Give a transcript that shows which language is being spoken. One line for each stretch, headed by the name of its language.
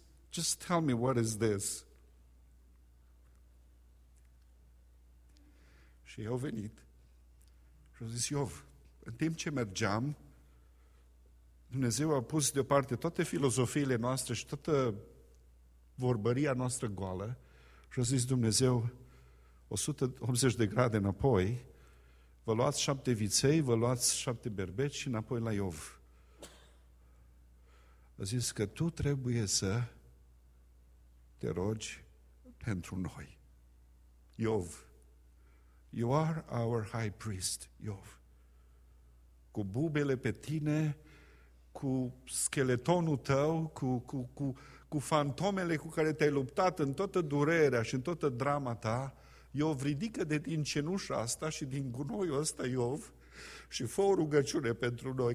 English: Just tell me, what is this?
Romanian: Și ei au venit și au zis, Iov, în timp ce mergeam, Dumnezeu a pus deoparte toate filozofiile noastre și toată vorbăria noastră goală și a zis, Dumnezeu, 180 de grade înapoi, vă luați șapte viței, vă luați șapte berbeci și înapoi la Iov. A zis că tu trebuie să te rogi pentru noi.
English: Iov, you are our high priest, Iov.
Romanian: Cu bubele pe tine, cu scheletonul tău, cu fantomele cu care te-ai luptat în toată durerea și în toată drama ta, Iov, ridică de din cenușa asta și din gunoiul ăsta, Iov, și fă o rugăciune pentru noi.